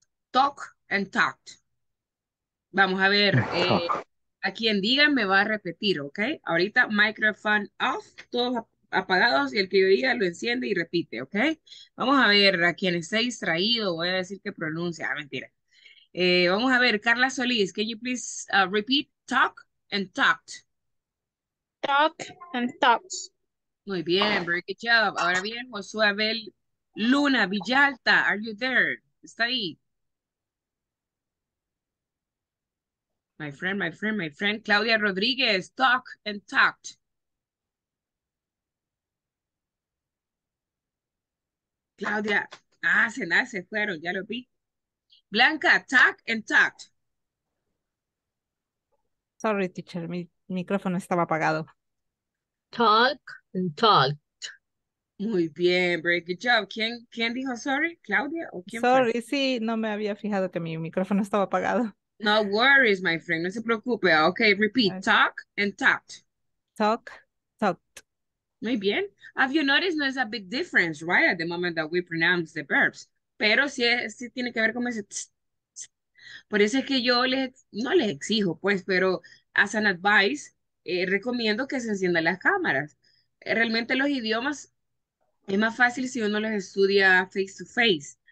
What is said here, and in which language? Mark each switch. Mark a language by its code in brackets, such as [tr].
[en] Talk and talked. [es] Vamos a ver, a quien diga me va a repetir, ¿ok? Ahorita, [en] microphone off, [es] todos apagados, y el que diga lo enciende y repite, ¿ok? Vamos a ver, a quien esté distraído, voy a decir que pronuncia, mentira. Vamos a ver, [en] Carla Solís, can you please repeat, talk and talked. Talk and talked. [es] Muy bien, [en] very good job. [es] Ahora bien, Josué Abel Luna Villalta, [en] are you there? [es] ¿Está ahí? [en] My friend, Claudia Rodríguez, talk and talked. [es] Claudia, se fueron, ya lo vi. Blanca, [en] talk and talked. Sorry, teacher, [es] mi micrófono estaba apagado. [en] Talk and talked. [es] Muy bien, [en] very good job. [es] ¿Quién dijo sorry? ¿Claudia? ¿O quién [en] sorry, [es] fue? Sí, no me había fijado que mi micrófono estaba apagado. [en] No worries, my friend. [es] No se preocupe. [en] Okay, repeat. Talk and talked. Talk, talked. [es] Muy bien. [en] Have you noticed there's a big difference, right, at the moment that we pronounce the verbs? [es] Pero sí tiene que ver con ese tss, tss. Por eso es que yo no les exijo, pues, pero [en] as an advice, [es] recomiendo que se enciendan las cámaras. Realmente los idiomas es más fácil si uno los estudia [en] face to face.